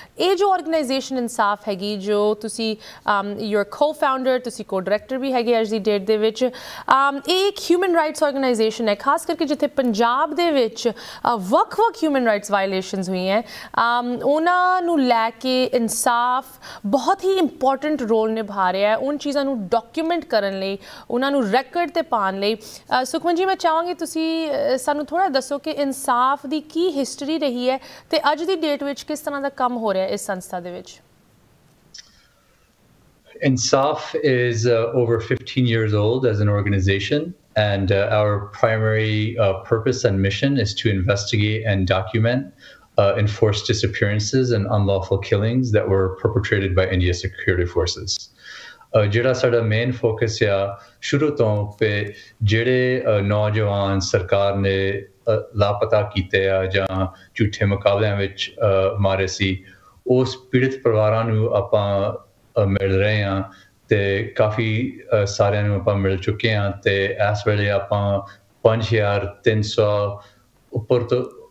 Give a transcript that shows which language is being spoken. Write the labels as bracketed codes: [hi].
[pa] ਇਹ ਜੋ ਔਰਗਨਾਈਜੇਸ਼ਨ ਇਨਸਾਫ ਹੈਗੀ, ਜੋ ਤੁਸੀਂ ਯੂਅਰ ਕੋਫਾਊਂਡਰ, ਤੁਸੀਂ ਕੋ ਡਾਇਰੈਕਟਰ ਵੀ ਹੈਗੇ ਅੱਜ ਦੀ ਡੇਟ ਦੇ ਵਿੱਚ, ਇਹ ਇੱਕ ਹਿਊਮਨ ਰਾਈਟਸ ਔਰਗਨਾਈਜੇਸ਼ਨ ਹੈ, ਖਾਸ ਕਰਕੇ ਜਿੱਥੇ ਪੰਜਾਬ ਦੇ ਵਿੱਚ ਵੱਖ ਵੱਖ ਹਿਊਮਨ ਰਾਈਟਸ ਵਾਇਲੇਸ਼ਨਸ ਹੋਈਆਂ, ਉਹਨਾਂ ਨੂੰ ਲੈ ਕੇ ਇਨਸਾਫ ਬਹੁਤ ਹੀ ਇੰਪੋਰਟੈਂਟ ਰੋਲ ਨਿਭਾ ਰਿਹਾ ਹੈ ਉਹਨਾਂ ਚੀਜ਼ਾਂ ਨੂੰ ਡਾਕੂਮੈਂਟ ਕਰਨ ਲਈ, ਉਹਨਾਂ ਨੂੰ ਰੈਕਰਡ 'ਤੇ ਪਾਉਣ ਲਈ। ਸੁਖਮਨ ਜੀ, ਮੈਂ ਚਾਹਾਂਗੀ ਤੁਸੀਂ ਸਾਨੂੰ ਥੋੜ੍ਹਾ ਦੱਸੋ ਕਿ ਇਨਸਾਫ ਦੀ ਕੀ ਹਿਸਟਰੀ ਰਹੀ ਹੈ ਅਤੇ ਅੱਜ ਦੀ ਡੇਟ ਵਿੱਚ ਕਿਸ ਤਰ੍ਹਾਂ ਦਾ ਕੰਮ ਹੋ ਰਿਹਾ ਇਸ ਸੰਸਥਾ ਦੇ ਵਿੱਚ। [en] ENSAAF is over 15 years old as an organization, and our primary purpose and mission is to investigate and document enforced disappearances and unlawful killings that were perpetrated by India's security forces. [pa] ਜਿਹੜਾ ਸਾਡਾ main focus ਆ ਸ਼ੁਰੂ ਤੋਂ, ਜਿਹੜੇ ਨੌਜਵਾਨ ਸਰਕਾਰ ਨੇ ਲਾਪਤਾ ਕੀਤੇ ਆ ਜਾਂ ਝੂਠੇ ਮੁਕਾਬਲਿਆਂ ਵਿੱਚ ਮਾਰੇ ਸੀ, ਉਸ ਪੀੜਿਤ ਪਰਿਵਾਰਾਂ ਨੂੰ ਆਪਾਂ ਮਿਲ ਰਹੇ ਹਾਂ ਅਤੇ ਕਾਫੀ ਸਾਰਿਆਂ ਨੂੰ ਆਪਾਂ ਮਿਲ ਚੁੱਕੇ ਹਾਂ ਅਤੇ ਇਸ ਵੇਲੇ ਆਪਾਂ 5,300 ਉੱਪਰ ਤੋਂ